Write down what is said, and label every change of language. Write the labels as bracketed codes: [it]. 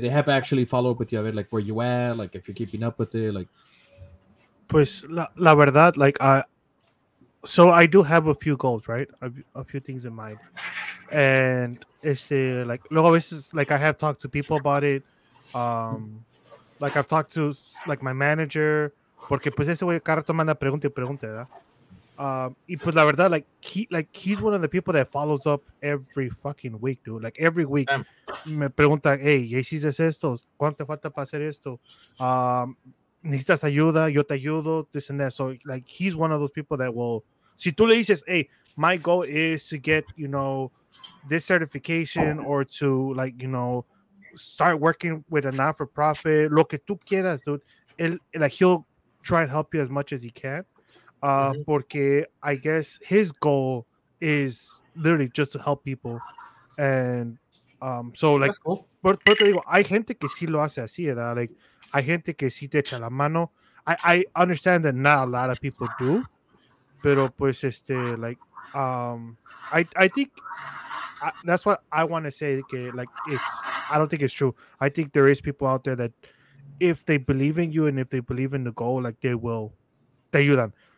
[en] They have actually followed up with you, [es] a ver, [en] like where you at, like if you're keeping up with it, like. [es] Pues la verdad, [en] like I. So I do have a few goals, right? A few things in mind. And it's like, [es] luego a veces, [en] like I have talked to people about it. Like I've talked to like my manager, [es] porque pues ese güey cada rato manda pregunta y pregunta, ¿verdad? Y pues la verdad, [en] he's one of the people that follows up every fucking week, dude. Like every week [es] me pregunta, hey, ¿ya hiciste esto? ¿Cuánto te falta para hacer esto? Necesitas ayuda, yo te ayudo, [en] this and that. So, like, he's one of those people that will, [es] si tú le dices, [en] hey, my goal is to get, you know, this certification or to, like, you know, start working with a not-for-profit, [es] lo que tú quieras, [en] dude, he'll try and help you as much as he can. Mm-hmm. Porque I guess his goal is literally just to help people. And so, that's like, cool. [es] Pero te digo, hay gente que sí lo hace así, ¿verdad? Like, hay gente que sí te echa la mano. [en] I understand that not a lot of people do, [es] pero pues [en] like I think that's what I want to say, que like I don't think it's true. I think there is people out there that if they believe in you and if they believe in the goal, like they will, [es] te ayudan.